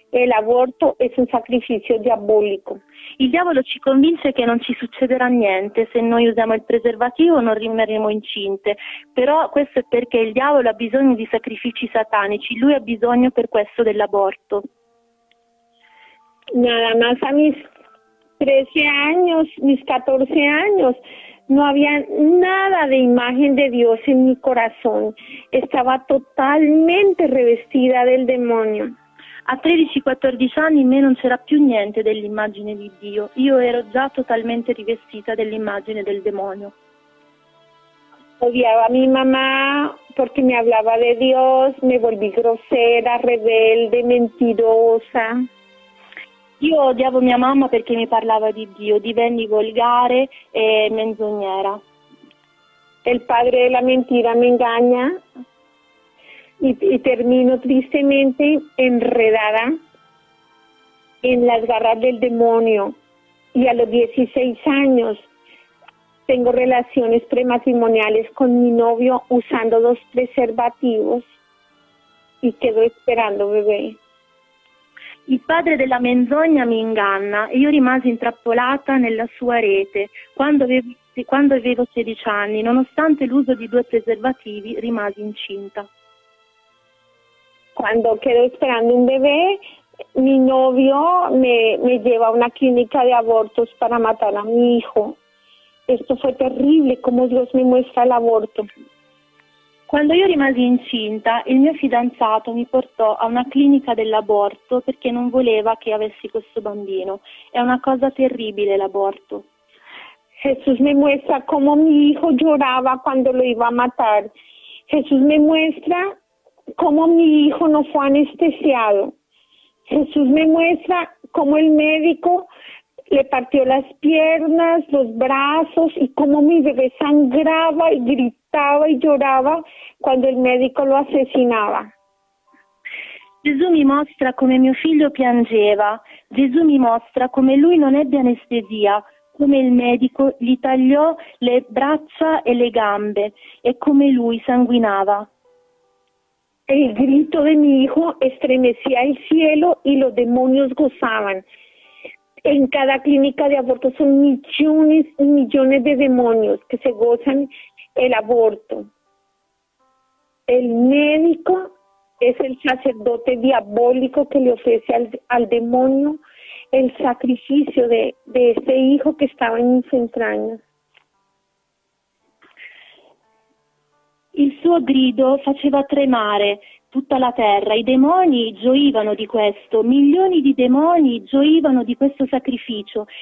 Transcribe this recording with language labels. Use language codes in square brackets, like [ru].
[es] El aborto es un sacrificio diabólico. [it] Il diavolo ci convince che non ci succederà niente se noi usiamo il preservativo, non rimarremo incinte. Però questo è perché il diavolo ha bisogno di sacrifici satanici. Lui ha bisogno per questo dell'aborto. [es] Nada más a mis 13 años, mis 14 años, no había nada de imagen de Dios en mi corazón. Estaba totalmente revestida del demonio. [it] A 13-14 anni in me non c'era più niente dell'immagine di Dio. Io ero già totalmente rivestita dell'immagine del demonio. Odiava mia mamma perché mi parlava di Dio, [es] mi volvi grossera, rebelde, mentirosa. [it] Io odiavo mia mamma perché mi parlava di Dio, divenni volgare e menzognera. Il padre della mentira mi inganna. [es] Y termino tristemente enredada en las garras del demonio. Y a los 16 años tengo relaciones prematrimoniales con mi novio usando dos preservativos y quedo esperando bebé. [it] Il padre della menzogna mi inganna e io rimasi intrappolata nella sua rete. Quando avevo 16 anni, nonostante l'uso di due preservativi, rimasi incinta. [es] Cuando quedo esperando un bebé, mi novio me lleva a una clínica de abortos para matar a mi hijo. Esto fue terrible, como Dios me muestra el aborto. Cuando yo [it] rimasi incinta, il mio fidanzato mi portò a una clinica dell'aborto perché non voleva che avessi questo bambino. È una cosa terribile l'aborto. [es] Jesús me muestra cómo mi hijo lloraba cuando lo iba a matar. Jesús me muestra cómo mi hijo no fue anestesiado. Jesús me muestra cómo el médico le partió las piernas, los brazos y cómo mi bebé sangraba y gritaba y lloraba cuando el médico lo asesinaba. [it] Gesù mi mostra come mio figlio piangeva. Gesù mi mostra come lui non ebbe anestesia, come il medico gli tagliò le braccia e le gambe e come lui sanguinava. [es] El grito de mi hijo estremecía el cielo y los demonios gozaban. En cada clínica de aborto son millones y millones de demonios que se gozan el aborto. El médico es el sacerdote diabólico que le ofrece al demonio el sacrificio de ese hijo que estaba en mis entrañas. [it] Il suo grido faceva tremare tutta la terra, i demoni gioivano di questo, milioni di demoni gioivano di questo sacrificio.